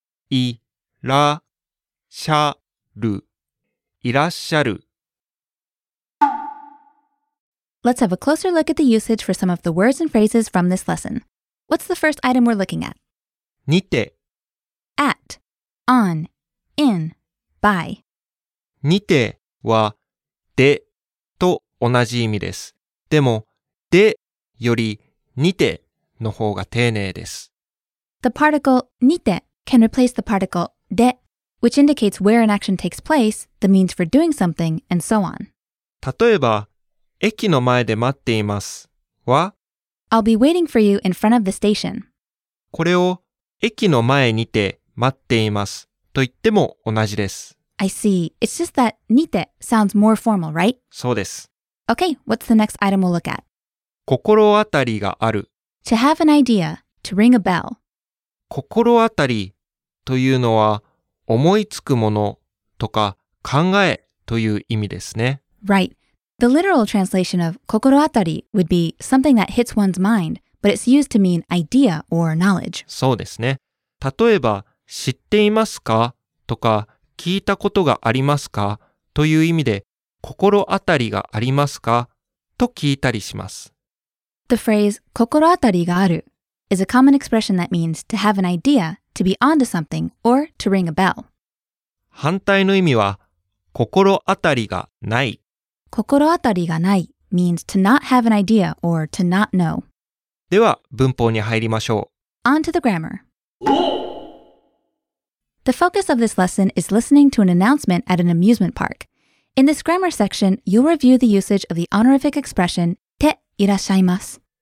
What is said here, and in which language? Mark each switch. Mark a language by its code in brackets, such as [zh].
[ja] いらしゃるいらっしゃる [en] Let's have a closer look at the usage for some of the words and phrases from this lesson. What's the first item we're looking at? [ja] にて [en] At, on, in, by [ja] にてはでと同じ意味です。でもでよりにての方が丁寧です。 [en] The particle にて can replace the particle で, which indicates where an action takes place, the means for doing something, and so on. [ja] 例えば、駅の前で待っていますは [en] I'll be waiting for you in front of the station. [ja] これを駅の前にて待っていますと言っても同じです。 [en] I see. It's just that にて sounds more formal, right? [ja] そうです。 [en] Okay, what's the next item we'll look at? [ja] 心当たりがある。 [en] To have an idea, to ring a bell. [ja] 心当たりというのは思いつくものとか考えという意味ですね。 [en] Right. The literal translation of 心当たり would be something that hits one's mind, but it's used to mean idea or knowledge. [ja] そうですね。例えば、知っていますかとか聞いたことがありますかという意味で、心当たりがありますかと聞いたりします。 [en] The phrase [ja] 心当たりがある [en] is a common expression that means to have an idea, to be onto something, or to ring a bell. [ja] 反対の意味は心当たりがない。心当たりがない [en] means to not have an idea or to not know. [ja] では文法に入りましょう。 [en] Onto the grammar. The focus of this lesson is listening to an announcement at an amusement park. In this grammar section, you'll review the usage of the honorific expression teirashaimasu.